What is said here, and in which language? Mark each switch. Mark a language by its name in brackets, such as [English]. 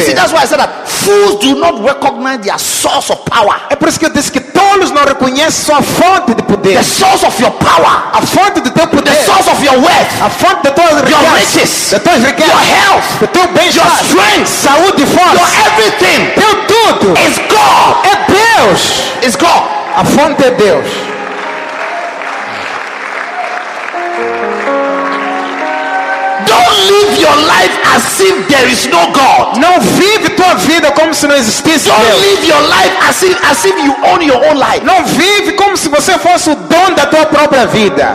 [English] you see, that's why I said that fools do not recognize their source of power. [Portuguese] É por isso que eu disse que tolos não reconhecem sua fonte de poder, [English] the source of your power, [Portuguese] a fonte do teu poder, [English] the source of your wealth, [Portuguese] a fonte de tua riqueza, [English] your riches, [Portuguese] de tua riqueza, [English] your health, [Portuguese] de teu bem, [English] your strength, [Portuguese] saúde e força, [English] your everything, [Portuguese] teu tudo, [English] is God, [Portuguese] é Deus, [English] is God, [Portuguese] a fonte é Deus. [English] Don't live your your life as if there is no God. [Portuguese] Não vive tua vida como se não existisse Deus. [English] Don't live your life as if you own your own life. [Portuguese] Não vive como se você fosse o dono da tua própria vida.